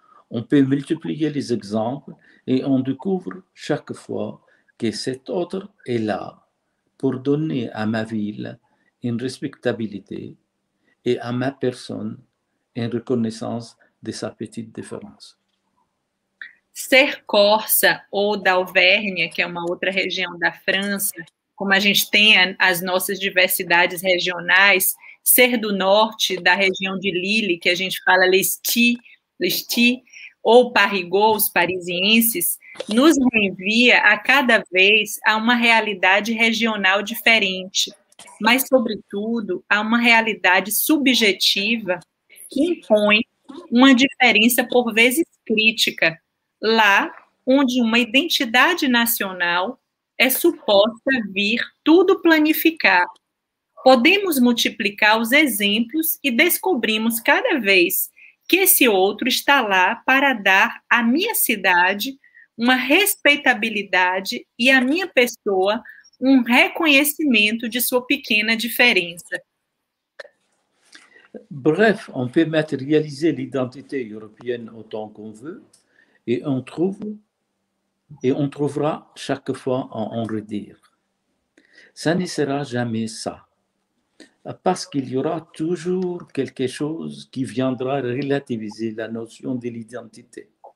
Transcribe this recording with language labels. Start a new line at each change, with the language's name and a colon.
French: On peut multiplier les exemples et on découvre chaque fois que cet autre est là pour donner à ma ville une respectabilité et à ma personne une reconnaissance de sa petite différence.
Portuguese: Ser corsa ou da Auvergne, que é uma outra região da França, como a gente tem as nossas diversidades regionais, ser do norte, da região de Lille, que a gente fala Lesti, ou Parigot, os parisienses, nos reenvia a cada vez a uma realidade regional diferente, mas, sobretudo, a uma realidade subjetiva que impõe uma diferença por vezes crítica, lá onde uma identidade nacional é suposta vir tudo planificar. Podemos multiplicar os exemplos e descobrimos cada vez que esse outro está lá para dar à minha cidade uma respeitabilidade e à minha pessoa um reconhecimento de sua pequena diferença.
French: Bref, on peut matérialiser l'identité européenne autant qu'on veut, et on trouvera chaque fois à en redire. Ça ne sera jamais ça, parce qu'il y aura toujours quelque chose qui viendra relativiser la notion de l'identité.